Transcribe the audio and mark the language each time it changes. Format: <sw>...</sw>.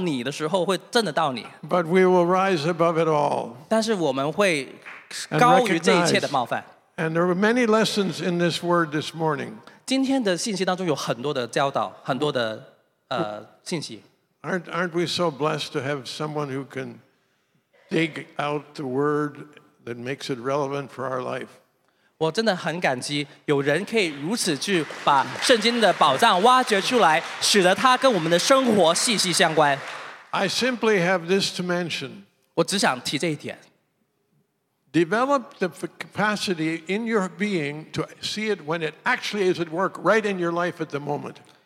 <zh>不是每个人在他觉得应该到你的时候会真的到你。</zh> <en>But we will rise above it all.</en> <zh>但是我们会高于这一切的冒犯。</zh> <en>And there were many lessons in this word this morning.</en> <zh>今天的信息当中有很多的教导,很多的信息。</zh> <en>Aren't we so blessed to have someone who can dig out the word that makes it relevant for our life?</en> <zh>我真的很感激有人可以如此去把圣经的宝藏挖掘出来,使得它跟我们的生活息息相关。</zh> <en>I simply have this to mention.</en> <zh>我只想提这一点。</zh> <en>Develop the capacity in your being to see it when it actually is at work right in your life at the moment.</en>